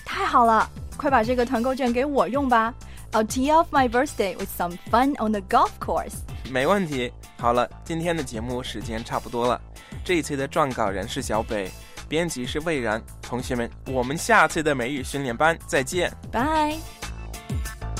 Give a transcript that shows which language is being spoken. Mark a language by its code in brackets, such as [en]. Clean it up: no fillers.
[zh] 太好了，快把这个团购券给我用吧。 [en] I'll tee off my birthday with some fun on the golf course. [zh] 没问题。好了，今天的节目时间差不多了。这一次的撰稿人是小北，编辑是魏然。同学们，我们下次的美语训练班再见。 [en] Bye。